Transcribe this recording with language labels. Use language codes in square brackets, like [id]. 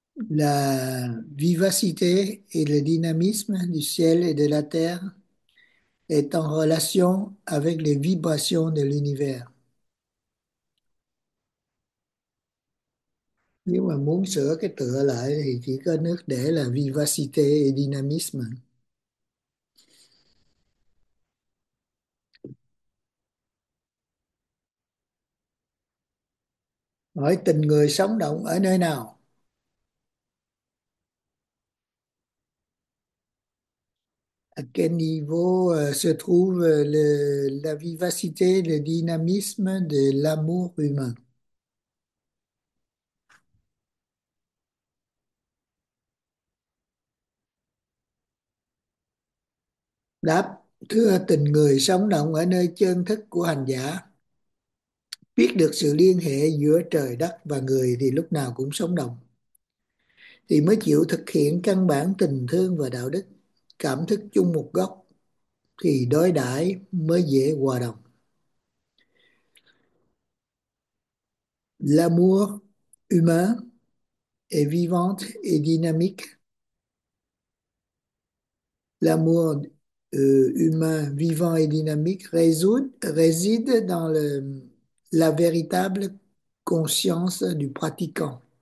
[fr] La vivacité et le dynamisme du ciel et de la terre est en relation avec les vibrations de l'univers. [vi] Nếu mà muốn sửa cái tựa lại thì chỉ có nước để là [fr] vivacité et dynamisme. [vi] Hỏi tình người sống động ở nơi nào? [fr] À quel niveau se trouve la vivacité, le dynamisme de l'amour humain? [vi] Đáp, thưa tình người sống động ở nơi chân thức của hành giả, biết được sự liên hệ giữa trời đất và người thì lúc nào cũng sống động, thì mới chịu thực hiện căn bản tình thương và đạo đức. Cảm thức chung một góc thì đối đãi mới dễ hòa đồng. [fr] L'amour humain est vivant et dynamique. L'amour humain vivant et dynamique réside dans la véritable conscience du pratiquant.